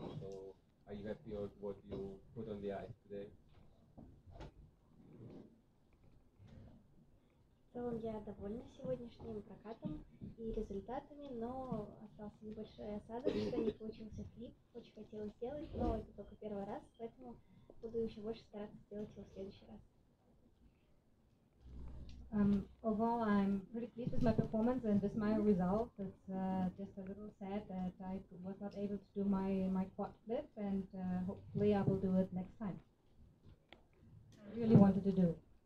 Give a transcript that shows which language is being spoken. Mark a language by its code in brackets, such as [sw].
[en] So, are you happy with what you put on the ice today? [ru] В целом я довольна сегодняшним прокатом и результатами, но остался небольшой осадок, что не получился клип, очень хотела сделать, но это только первый раз, поэтому буду еще больше стараться сделать его в следующий раз. [en] Overall, I'm pretty pleased with my performance and with my result. It's just a little sad that I was not able to do my quad flip, and hopefully I will do it next time. I really wanted to do it.